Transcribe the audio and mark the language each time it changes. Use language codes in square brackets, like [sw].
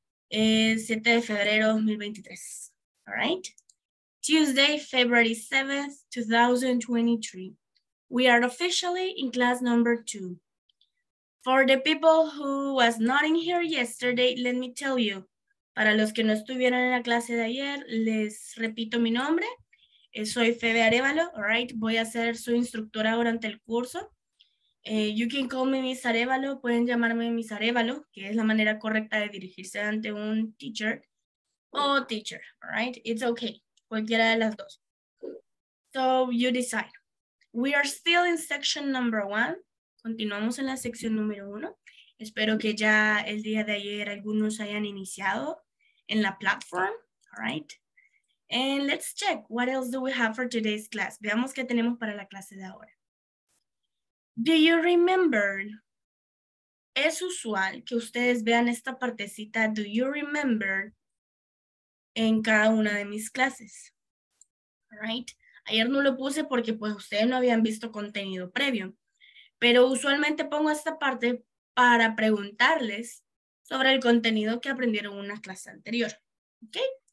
[es] 7 de febrero 2023, all right? [en] Tuesday, February 7th, 2023. We are officially in class number 2. For the people who was not in here yesterday, let me tell you. [es] Para los que no estuvieron en la clase de ayer, les repito mi nombre. Soy Febe Arevalo, all right? Voy a ser su instructora durante el curso. [en] You can call me Miss Arevalo, [es] pueden llamarme Miss Arevalo, que es la manera correcta de dirigirse ante un teacher o teacher, all right? [en] It's okay, [es] cualquiera de las dos. [en] So you decide. We are still in section number 1. [es] Continuamos en la sección número 1. Espero que ya el día de ayer algunos hayan iniciado en la platform, all right? [en] And let's check, what else do we have for today's class? [es] Veamos qué tenemos para la clase de ahora. [en] Do you remember? [es] Es usual que ustedes vean esta partecita, [en] do you remember, [es] en cada una de mis clases, right? Ayer no lo puse porque pues ustedes no habían visto contenido previo, pero usualmente pongo esta parte para preguntarles sobre el contenido que aprendieron en una clase anterior, okay?